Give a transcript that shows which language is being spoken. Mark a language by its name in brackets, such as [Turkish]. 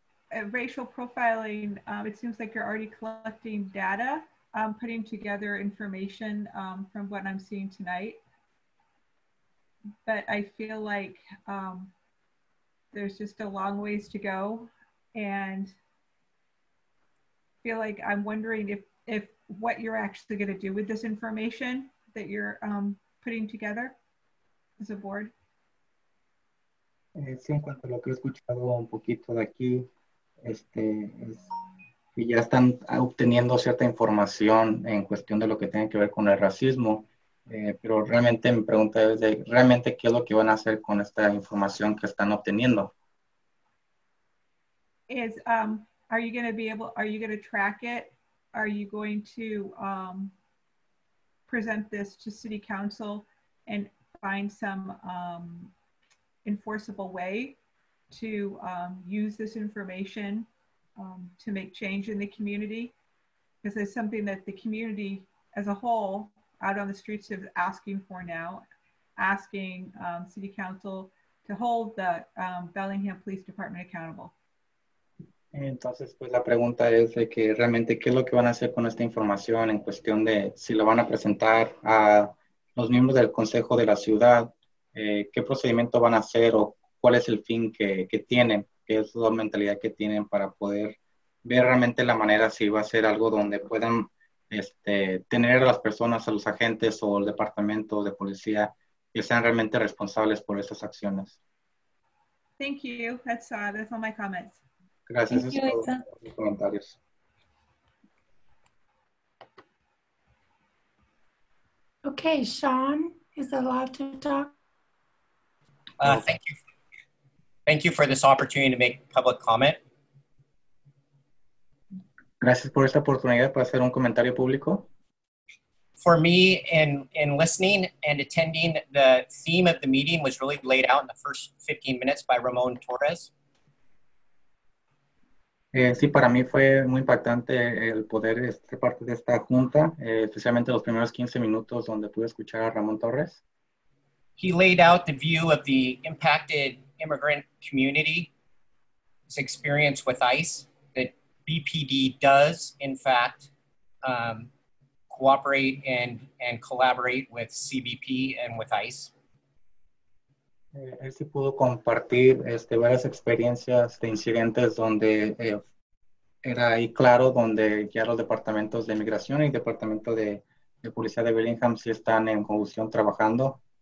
[English] Racial profiling, it seems like you're already collecting data, putting together information from what I'm seeing tonight. But I feel like there's just a long ways to go. And feel like I'm wondering if what you're actually going to do with this information that you're putting together as a board. [Spanish] Sí, en cuanto a lo que he escuchado un poquito de aquí, que ya están obteniendo cierta información en cuestión de lo que tiene que ver con el racismo. Pero realmente mi pregunta es de realmente qué es lo que van a hacer con esta información que están obteniendo. [English] Is are you going to be able, are you going to track it? Are you going to present this to city council and find some enforceable way to use this information to make change in the community? Because it's something that the community as a whole out on the streets is asking for now, asking city council to hold the Bellingham Police Department accountable. [Spanish] Entonces, pues la pregunta es de que realmente qué es lo que van a hacer con esta información en cuestión de si lo van a presentar a los miembros del consejo de la ciudad, qué procedimiento van a hacer o cuál es el fin que tienen, qué es la mentalidad que tienen para poder ver realmente la manera si va a ser algo donde puedan tener a las personas, a los agentes o el departamento de policía que sean realmente responsables por esas acciones. [English] Thank you. That's all my comments. [Spanish] Gracias. [English] Thank you, [Spanish] Lisa. Por los comentarios. [English] Okay, Sean is allowed to talk. Thank you. Thank you for this opportunity to make public comment. [Spanish] Gracias por esta oportunidad para hacer un comentario público. [English] For me, in listening and attending, the theme of the meeting was really laid out in the first 15 minutes by Ramon Torres. [Spanish] Sí, para mí fue muy impactante el poder ser parte de esta junta, especialmente los primeros 15 minutos donde pude escuchar a Ramon Torres. [English] He laid out the view of the impacted immigrant community, his experience with ICE. BPD does, in fact, cooperate and collaborate with CBP and with ICE. [Spanish] Él sí pudo compartir varias experiencias de incidentes donde era ahí claro donde ya los departamentos de inmigración y departamento de policía de Bellingham sí están en conjunción trabajando.